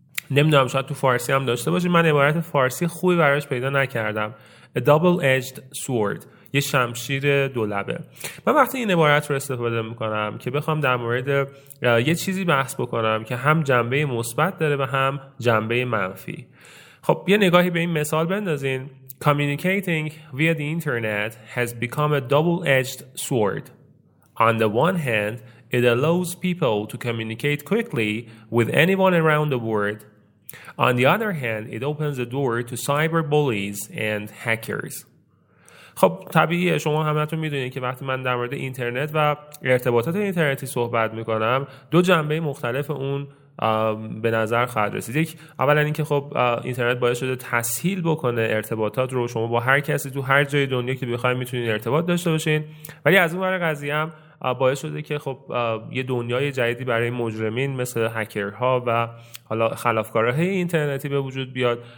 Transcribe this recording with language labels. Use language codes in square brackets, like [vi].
[fa] نمیدونم شاید تو فارسی هم داشته باشیم، من عبارت فارسی خوبی براش پیدا نکردم. [en] A double-edged sword، [fa] یه شمشیر دو لبه. من وقتی این عبارت رو استفاده میکنم که بخوام در مورد یه چیزی بحث بکنم که هم جنبه مثبت داره و هم جنبه منفی. خب یه نگاهی به این مثال بندازین. [en] Communicating via the internet has become a double-edged sword. On the one hand, it allows people to communicate quickly with anyone around the world. On the other hand, it opens the door to cyber bullies and hackers. [fa] خب طبیعیه، شما همتون میدونید که وقتی من در مورد اینترنت و ارتباطات اینترنتی صحبت میکنم، دو جنبه مختلف اون به نظر خواهد رسید. یک، اولا اینکه خب اینترنت باعث شده تسهیل بکنه ارتباطات رو، شما با هر کسی تو هر جای دنیا که بخواید میتونید ارتباط داشته باشین، ولی از اون ور قضیه هم باعث شده که خب یه دنیای جدیدی برای مجرمین مثل هکرها و حالا خلافکارهای اینترنتی به وجود بیاد،